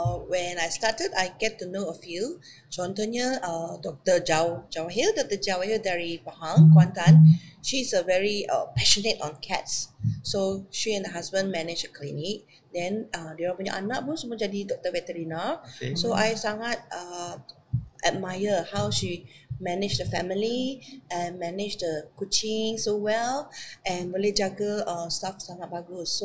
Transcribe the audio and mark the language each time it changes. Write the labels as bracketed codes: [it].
[en] When I started, I get to know a few. [ms] Contohnya Dr. Jawahir. Dr. Jawahir dari Pahang, Kuantan. [en] She's a very passionate on cats. So she and her husband manage a clinic. [ms] Then dia punya anak pun semua jadi doktor veterina. [en] Okay. So I sangat admire how she manage the family and manage the kucing so well and [ms] boleh jaga staff sangat bagus.